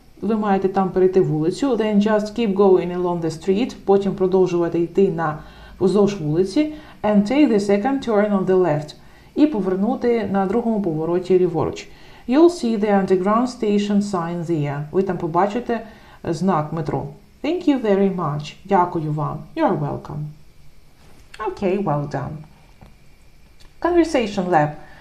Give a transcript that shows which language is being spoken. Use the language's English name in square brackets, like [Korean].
[Ukrainian] Ви маєте там перейти вулицю. [English] Then just keep going along the street. [Ukrainian] Потім продовжувати йти на вздовж вулиці. [English] And take the second turn on the left. [Ukrainian] І повернути на другому повороті ліворуч. [English] You'll see the underground station sign there. [Ukrainian] Ви там побачите знак метро. [English] Thank you very much. [Ukrainian] Дякую вам. [English] You're welcome. Okay, well done. Conversation lab.